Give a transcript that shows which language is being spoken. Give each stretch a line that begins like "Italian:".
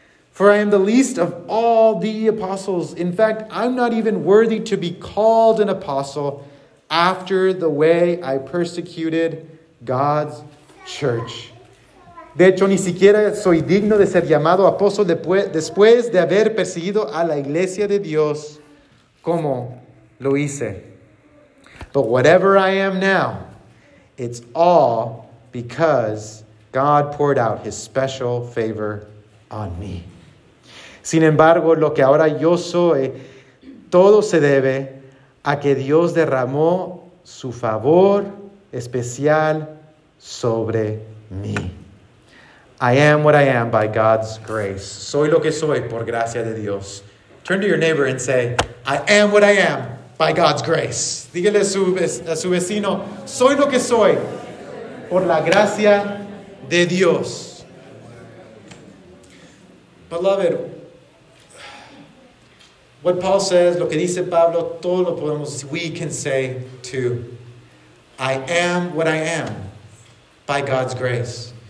English: For I am the least of all the apostles. In fact, I'm not even worthy to be called an apostle after the way I persecuted God's church.
Spanish: De hecho, ni siquiera soy digno de ser llamado apóstol después de haber perseguido a la iglesia de Dios como lo hice.
English: But whatever I am now, it's all because God poured out his special favor on me.
Spanish: Sin embargo, lo que ahora yo soy, todo se debe a que Dios derramó su favor especial sobre mí.
English: I am what I am by God's grace.
Spanish: Soy lo que soy por gracia de Dios.
English: Turn to your neighbor and say, I am what I am by God's grace.
Spanish: Dígale a su vecino, soy lo que soy por la gracia de Dios.
English: Beloved, what Paul says,
Spanish: lo que dice Pablo, todo lo podemos decir.
English: We can say too, I am what I am by God's grace.